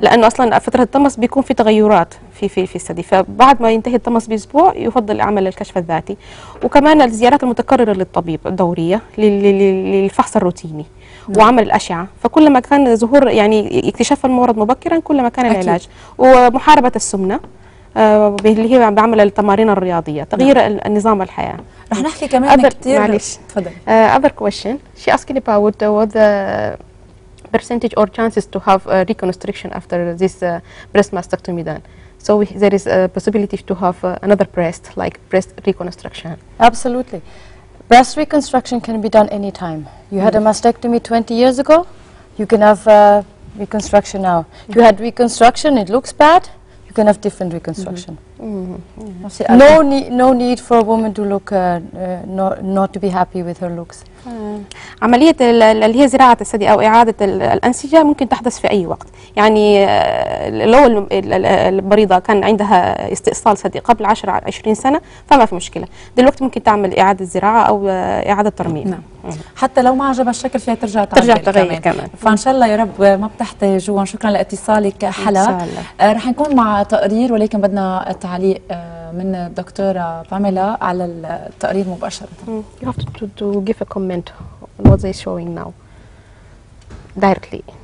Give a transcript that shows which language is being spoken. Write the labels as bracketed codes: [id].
[ar] لانه اصلا فتره الطمس بيكون في تغيرات في الثدي، فبعد ما ينتهي الطمس باسبوع يفضل عمل الكشف الذاتي، وكمان الزيارات المتكرره للطبيب الدوريه للفحص الروتيني. نعم. وعمل الأشعة، فكلما كان ظهور يعني اكتشاف المرض مبكرا كلما كان أكيد. العلاج ومحاربة السمنة اللي هي بعمل التمارين الرياضية تغيير. نعم. النظام الحياة. رح نحكي كمان أدر كتير. معلش. تفضل. [en] Other question. She asking about what the percentage or chances to have reconstruction after this breast mastectomy done. So there is a possibility to have another breast like breast reconstruction. Absolutely. Breast reconstruction can be done anytime. You had a mastectomy 20 years ago, you can have reconstruction now. Mm-hmm. You had reconstruction, it looks bad, you can have different reconstruction. Mm-hmm. No need for a woman to look not to be happy with her looks. [ar] عملية اللي هي زراعة الثدي أو إعادة الأنسجة ممكن تحدث في أي وقت، يعني لو المريضة كان عندها استئصال ثدي قبل 10-20 سنة فما في مشكلة، دلوقتي ممكن تعمل إعادة زراعة أو إعادة ترميم. نعم. حتى لو ما عجبها الشكل فيها ترجع تعمل ترجع تغير كمان. فإن شاء الله يا رب ما بتحتاجوها. شكرا لاتصالك حلا. رح نكون مع تقرير ولكن بدنا تعليق من الدكتورة باميلا على التقرير مباشرة. [en] You have to give a comment on what they're showing now directly.